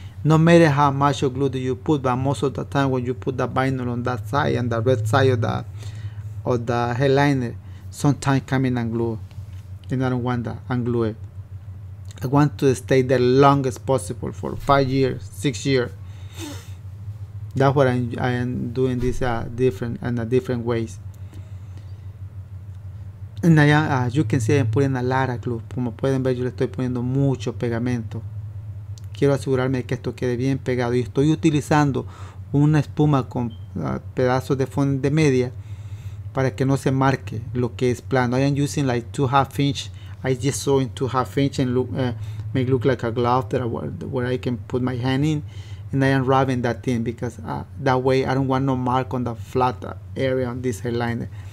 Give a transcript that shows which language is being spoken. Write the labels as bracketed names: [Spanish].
[English] No matter how much of glue do you put, but most of the time when you put the vinyl on that side and the red side of the headliner, sometimes come in unglue, and I don't want that unglue it. I want to stay there long as possible for 5 years, 6 years. That's what I am doing this different ways. And I am, you can see I'm putting a lot of glue. [Spanish] Como pueden ver, yo le estoy poniendo mucho pegamento. Quiero asegurarme de que esto quede bien pegado. Y estoy utilizando una espuma con pedazos de foam de media para que no se marque lo que es plano. [English] I am using like 2.5 inch. I just sew in 2.5 inch and look, make look like a glove that where I can put my hand in. And I am rubbing that thing because that way I don't want no mark on the flat area on this headliner.